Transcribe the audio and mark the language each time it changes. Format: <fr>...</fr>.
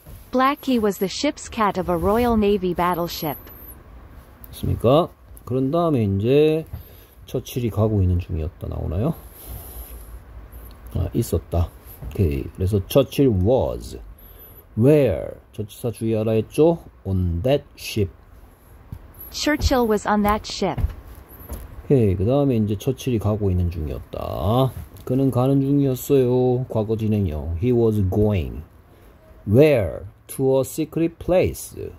<en>Blackie was the ship's cat of a Royal Navy battleship.</en> <ko>맞습니까? 그런 다음에 이제 처칠이 가고 있는 중이었다 나오나요? 아, 있었다. 오케이. 그래서 처칠</ko> <en>was where</en> <ko>전치사 주의하라 했죠?</ko> <en>On that ship. Churchill was on that ship.</en> <ko>오케이. 그 다음에 이제 처칠이 가고 있는 중이었다. 그는 가는 중이었어요. 과거 진행형.</ko> <en>He was going where to a secret place.</en>